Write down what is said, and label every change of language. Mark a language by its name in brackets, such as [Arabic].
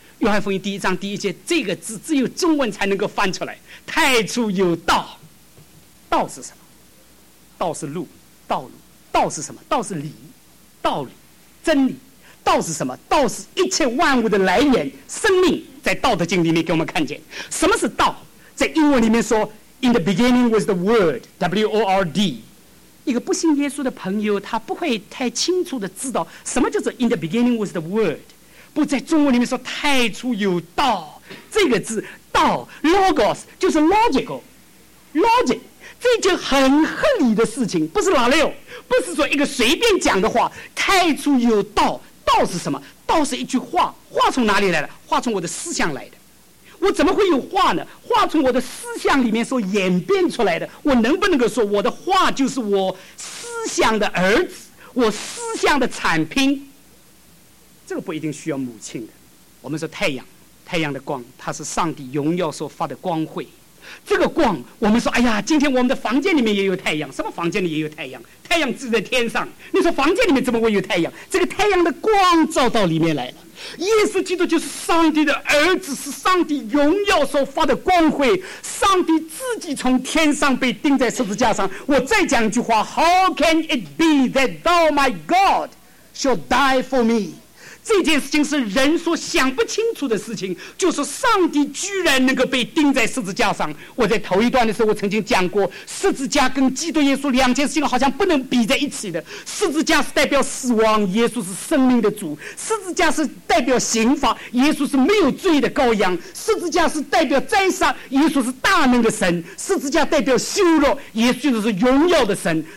[Chinese] 约翰福音第一章第一节这个字只有中文才能够翻出来，太初有道。道是什么？道是路，道路，道是什么？道是理，道理，真理。道是什么？道是一切万物的来源，生命在道德经里面给我们看见。什么是道？在英文里面说 [English] In the beginning was the word W-O-R-D。 [Chinese] 一个不信耶稣的朋友，他不会太清楚的知道什么叫做 [English] In the beginning was the word。 [Chinese] 不，在中文里面说太初有道，这个字道 Logos 就是 [English] logical logic， [Chinese] 这件很合理的事情，不是老六，不是说一个随便讲的话。太初有道，道是什么？道是一句话，话从哪里来的？话从我的思想来的。我怎么会有话呢？话从我的思想里面所演变出来的。我能不能够说我的话就是我思想的儿子，我思想的产品？这个不一定需要母亲的。我们说太阳，太阳的光，它是上帝荣耀所发的光辉。这个光，我们说，哎呀，今天我们的房间里面也有太阳。什么房间里也有太阳？太阳住在天上，你说房间里面怎么会有太阳？这个太阳的光照到里面来了。耶稣基督就是上帝的儿子，是上帝荣耀所发的光辉，上帝自己从天上被钉在十字架上。 [English] 我再讲一句话， How can it be that thou my God shall die for me？ [Chinese] 这件事情是人所想不清楚的事情，就是上帝居然能够被钉在十字架上。我在头一段的时候我曾经讲过，十字架跟基督耶稣两件事情好像不能比在一起的。十字架是代表死亡，耶稣是生命的主；十字架是代表刑罚，耶稣是没有罪的羔羊；十字架是代表宰杀，耶稣是大能的神；十字架代表羞辱，耶稣是荣耀的神。